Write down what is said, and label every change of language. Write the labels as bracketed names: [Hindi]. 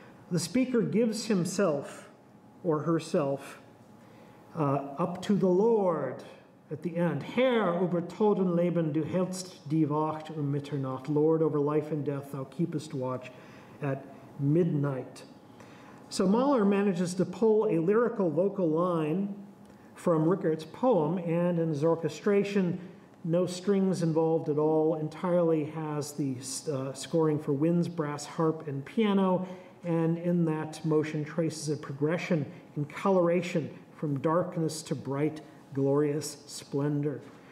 [English] The speaker gives himself or herself up to the Lord at the end. [German] "Herr über Tod und Leben, du hältst die Wacht um Mitternacht." [English] Lord over life and death, thou keepest watch at midnight. So Mahler manages to pull a lyrical vocal line from Rückert's poem, and in his orchestration, no strings involved at all, entirely has the scoring for winds, brass, harp, and piano, and in that motion traces a progression in coloration from darkness to bright, glorious splendor.